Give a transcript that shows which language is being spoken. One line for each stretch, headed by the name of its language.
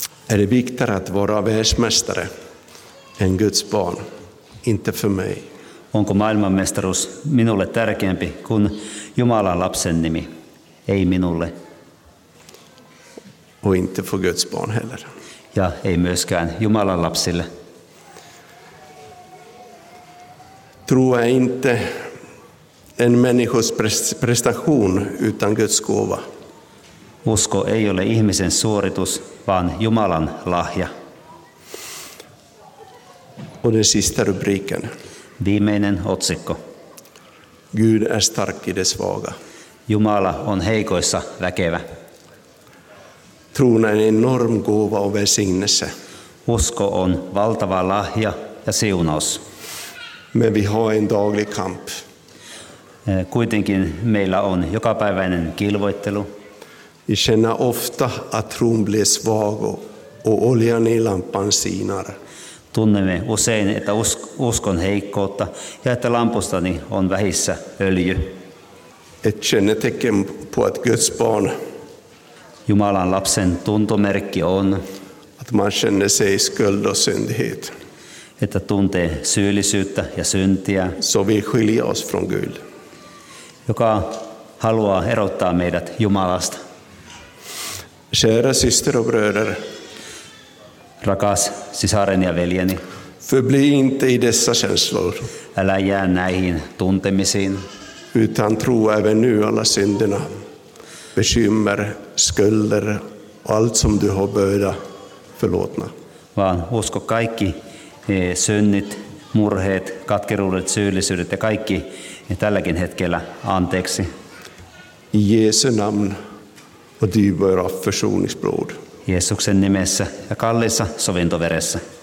Swedish: Är det viktigare att vara världsmästare än Guds barn? Inte för mig.
Finnish: Onko maailmanmestaruus minulle tärkeämpi kuin Jumalan lapsen nimi? Ei minulle.
Swedish: Och inte för Guds barn heller.
Finnish: Ja ei myöskään Jumalan lapsille.
Swedish: Tro är inte en människas prestation utan Guds gåva.
Finnish: Usko ei ole ihmisen suoritus, vaan Jumalan lahja.
Swedish: Och den sista rubriken.
Finnish: Viimeinen otsikko.
Swedish: Gud är stark i det svaga.
Finnish: Jumala on heikoissa väkevä.
Swedish: Tron är en enorm gåva och välsignelse.
Finnish: Usko on valtava lahja ja siunaus.
Swedish: Men vi har en daglig kamp.
Finnish: Kuitenkin meillä on jokapäiväinen kilvoittelu.
Swedish: Vi känner ofta att tron blir svag och oljan i lampan sinar.
Finnish: Tunnemme usein, että uskon heikkoutta ja että lampustani on vähissä öljy.
Swedish: Ett kännetecken på att Guds barn.
Finnish: Jumalan lapsen tuntomerkki on.
Swedish: Att man känner sig skuld och syndighet.
Finnish: Että tuntee syyllisyyttä ja syntiä.
Swedish: Så vi skiljer oss från Gud.
Finnish: Joka haluaa erottaa meidät Jumalasta.
Swedish: Kära syster och bröder.
Finnish: Rakas sisaren ja veljeni.
Swedish: Förbli inte i dessa känslor.
Finnish: Älä jää näihin tuntemisiin.
Swedish: Utan tro även nu alla synderna. Bekymmer, skulder, allt som du har böda förlåtna.
Finnish: Vaan usko kaikki synnit, murheet, katkeruudet, syyllisyydet ja kaikki tälläkin hetkellä anteeksi.
Swedish: I Jesu namn och dyrbara försoningsblod.
Finnish: Jeesuksen nimessä ja kalliissa sovintoveressä.